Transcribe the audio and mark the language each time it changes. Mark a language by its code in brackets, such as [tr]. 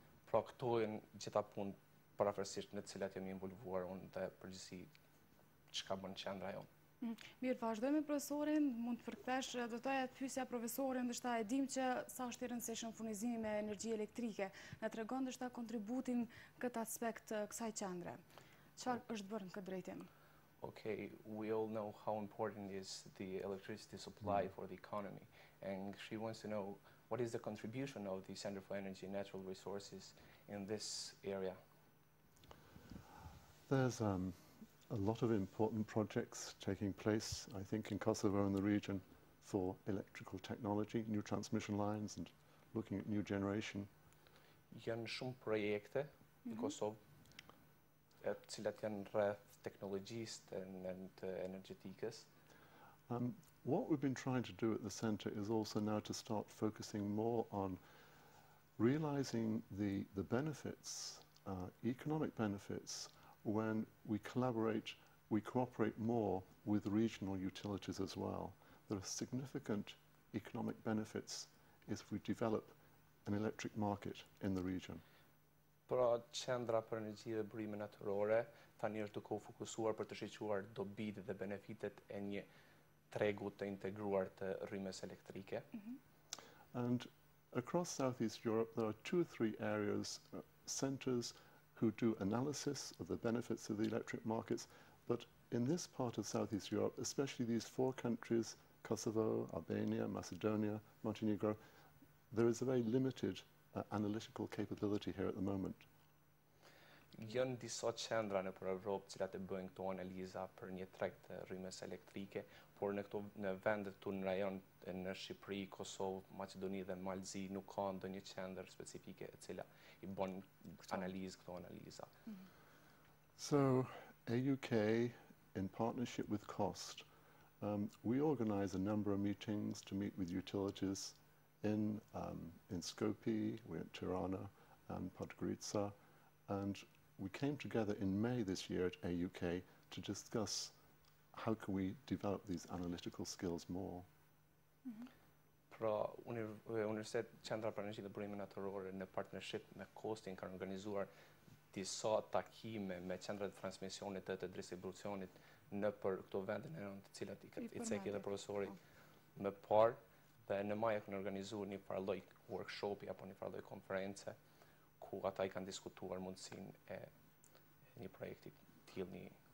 [sq] Pra, këtojnë gjitha punë parafërsisht në cilat jemi involvuar unë dhe përgjësi që ka bënë qendra jonë. Mirë, vazhdojmë profesorin, mund të përkthesh do të ajat pyesja profesorin, ndoshta e dim që sa është i rëndësishëm furnizimi me energji elektrike. Na tregon ndoshta kontributin këtë aspekt kësaj qendre. Çfarë është bërë në këtë drejtim? [en] Okay, we all know how important is the electricity supply for the economy, and she wants to know what is the contribution of the Center for Energy and Natural Resources in this area. There's a lot of important projects taking place, I think, in Kosovo and the region for electrical technology, new transmission lines, and looking at new generation. [sq] Janë shumë projekte në Kosovë, të cilat janë rreth teknologjisë and energjetikës. [en] What we've been trying to do at the center is also now to start focusing more on realizing the benefits, economic benefits, when we collaborate, we cooperate more with regional utilities as well. There are significant economic benefits if we develop an electric market in the region. [sq] Pra qendra për energji dhe burime natyrore tani është duke u fokusuar për të shiquar dobitë dhe benefitet e një tregu të integruar të rrymës elektrike. [en] And across Southeast Europe there are two or three areas, centers who do analysis of the benefits of the electric markets, but in this part of Southeast Europe, especially these four countries, Kosovo, Albania, Macedonia, Montenegro, there is a very limited analytical capability here at the moment. [sq] Janë disa qendra nëpër Evropë cilat e bëjnë këto analiza për një treg të rrymës elektrike, por në këto në vende këtu në rajon në Shqipëri, Kosovë, Maqedoni dhe Malzi nuk ka ndonjë qendër specifike e cila i bën analizë këto analiza. [en] So, AUK in partnership with COST, we organize a number of meetings to meet with utilities in Skopje, we're in Tirana and Podgorica, and we came together in May this year at AUK to discuss how can we develop these analytical skills more. [sq] Pra Universitet Qendra për Energji dhe Burime Natyrore në partnership me COST-in kanë organizuar disa takime me qendrat e transmisionit dhe të distribucionit në për këto vende në anë të cilat i cekë edhe profesori më parë, dhe në maj kanë organizuar një farloj workshopi apo një farloj konference ku ata i kanë diskutuar mundësinë e një projekti tillë.